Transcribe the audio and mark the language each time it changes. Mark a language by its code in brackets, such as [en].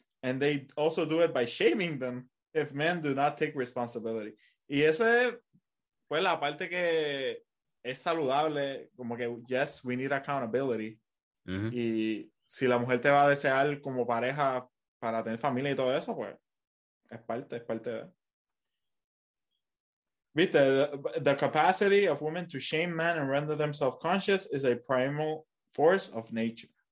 [en] And they also do it by shaming them if men do not take responsibility. [es] Y esa fue la parte que es saludable. Como que, [en] yes, we need accountability. Mm-hmm. [es] Y si la mujer te va a desear como pareja para tener familia y todo eso, pues es parte de... [en] Viste, the capacity of women to shame men and render them self-conscious is a primal force of nature.